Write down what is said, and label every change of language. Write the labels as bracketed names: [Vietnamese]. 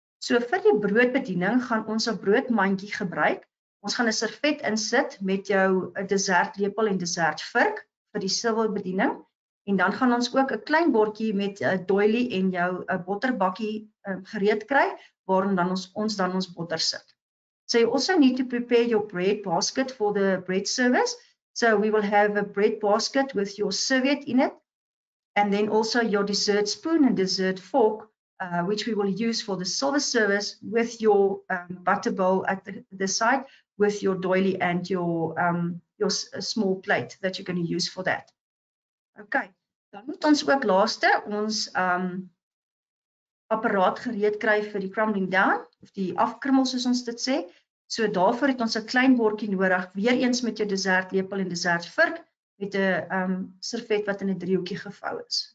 [Afrikaans] So vir die broodbediening gaan ons 'n broodmandjie gebruik. Ons gaan 'n servet insit met jou dessertlepel en dessertvurk vir die silwerbediening. En dan gaan ons ook 'n klein bordjie met 'n doily en jou 'n botterbakkie gereed kry waarin dan ons botter sit. [English] So you also need to prepare your bread basket for the bread service. So we will have a bread basket with your serviette in it and then also your dessert spoon and dessert fork which we will use for the silver service with your butter bowl at the side with your doily and your small plate that you're going to use for that. [Afrikaans] Okay, dan moet ons ook laaste ons apparaat gereed kry vir die crumbling down of die afkrummel soos ons dit sê. So daarvoor het ons 'n klein bordjie nodig, weer eens met jou dessertlepel en dessertvurk met 'n servet wat in 'n driehoekie gevou is.